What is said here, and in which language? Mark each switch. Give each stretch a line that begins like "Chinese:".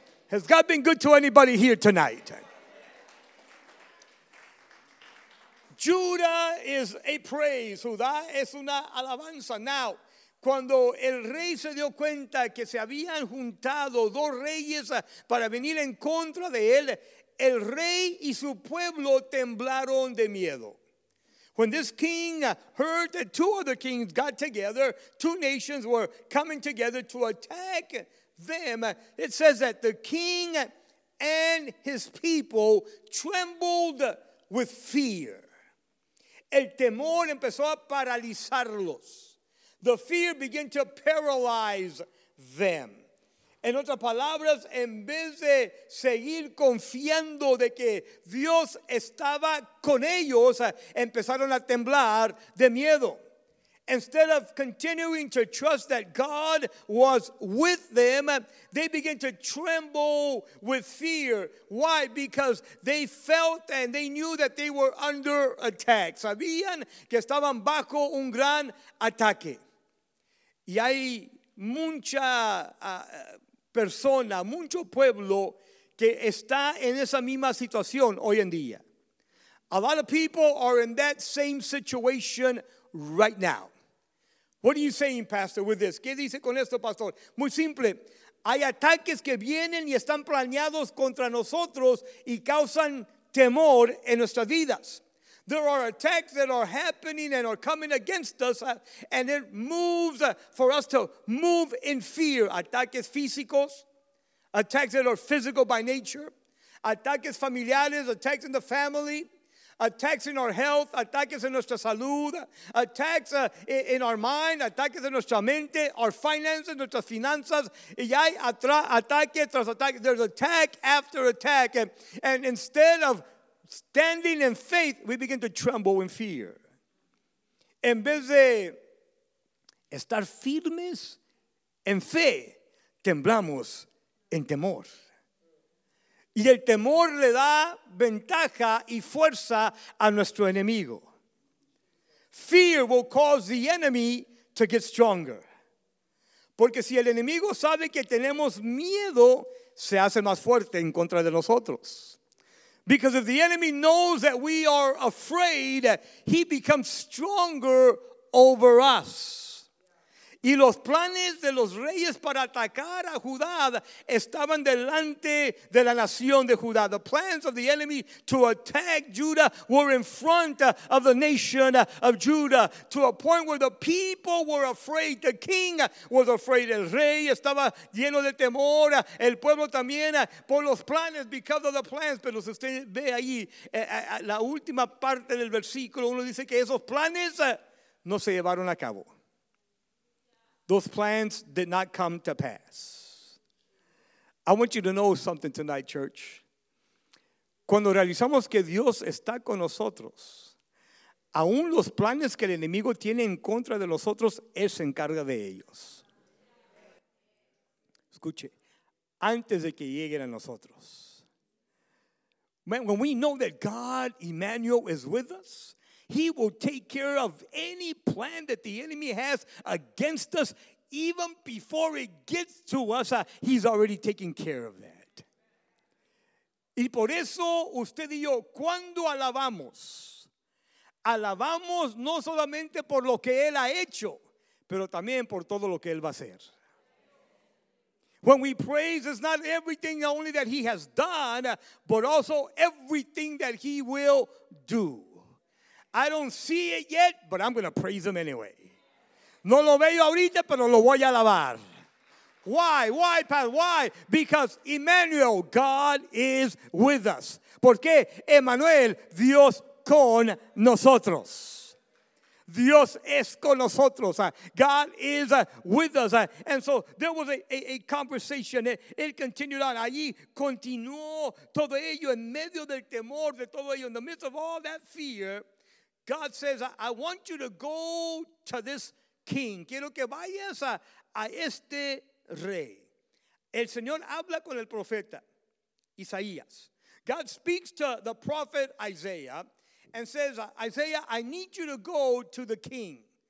English: Has God been good to anybody here tonight? Judah is a praise.
Spanish: Judá es una alabanza. Now, cuando el rey se dio cuenta que se habían juntado dos reyes para venir en contra de él, el rey y su pueblo temblaron de miedo.
English: When this king heard that two other kings got together, two nations were coming together to attack them, it says that the king and his people trembled with fear.
Spanish: El temor empezó a paralizarlos.
English: The fear began to paralyze them.
Spanish: En otras palabras, en vez de seguir confiando de que Dios estaba con ellos, empezaron a temblar de miedo.
English: Instead of continuing to trust that God was with them, they began to tremble with fear. Why? Because they felt and they knew that they were under attack.
Spanish: Sabían que estaban bajo un gran ataque. Y hay mucha persona, mucho pueblo que está en esa misma situación hoy en día.
English: A lot of people are in that same situation right now. What are you saying, Pastor, with this?
Spanish: ¿Qué dice con esto, Pastor? Muy simple. Hay ataques que vienen y están planeados contra nosotros y causan temor en nuestras vidas.
English: There are attacks that are happening and are coming against us, and it moves for us to move in fear.
Spanish: Ataques físicos,
English: attacks that are physical by nature,
Spanish: ataques familiares,
English: attacks in the family, attacks in our health, attacks in
Spanish: nuestra salud,
English: attacks in our mind, attacks in
Spanish: nuestra mente,
English: our finances,
Spanish: nuestras finanzas, y hay ataque tras ataque.
English: There's attack after attack, and instead of standing in faith, we begin to tremble in fear.
Spanish: En vez de estar firmes en fe, temblamos en temor. Y el temor le da ventaja y fuerza a nuestro enemigo.
English: Fear will cause the enemy to get stronger.
Spanish: Porque si el enemigo sabe que tenemos miedo, se hace más fuerte en contra de nosotros.
English: Because if the enemy knows that we are afraid, he becomes stronger over us.
Spanish: Y los planes de los reyes para atacar a Judá estaban delante de la nación de Judá.
English: The plans of the enemy to attack Judah were in front of the nation of Judah, to a point where the people were afraid. The king was afraid.
Spanish: El rey estaba lleno de temor. El pueblo también, por los planes,
English: because of the plans.
Spanish: Pero si usted ve ahí la última parte del versículo, uno dice que esos planes no se llevaron a cabo.
English: Those plans did not come to pass. I want you to know something tonight, church.
Spanish: Cuando realizamos que Dios está con nosotros, aún los planes que el enemigo tiene en contra de nosotros, Él se encarga de ellos. Escuche, antes de que lleguen a nosotros.
English: Man, when we know that God, Emmanuel, is with us, He will take care of any plan that the enemy has against us. Even before it gets to us, he's already taking care of that.
Spanish: Y por eso usted y yo, cuando alabamos, alabamos no solamente por lo que Él ha hecho, pero también por todo lo que Él va a hacer.
English: When we praise, it's not everything only that He has done, but also everything that He will do. I don't see it yet, but I'm going to praise Him anyway.
Spanish: No lo veo ahorita, pero lo voy a alabar.
English: Why? Why, Pat? Why? Because Emmanuel, God is with us.
Spanish: ¿Por qué? Emmanuel, Dios con nosotros. Dios es con nosotros.
English: God is with us. And so there was a conversation. It continued on.
Spanish: Allí continuó todo ello en medio del temor de todo ello.
English: In the midst of all that fear, God says, I want you to go to this king.
Spanish: Quiero que vayas a este rey. El Señor habla con el profeta Isaías.
English: God speaks to the prophet Isaiah and says, Isaiah, I need you to go to the king.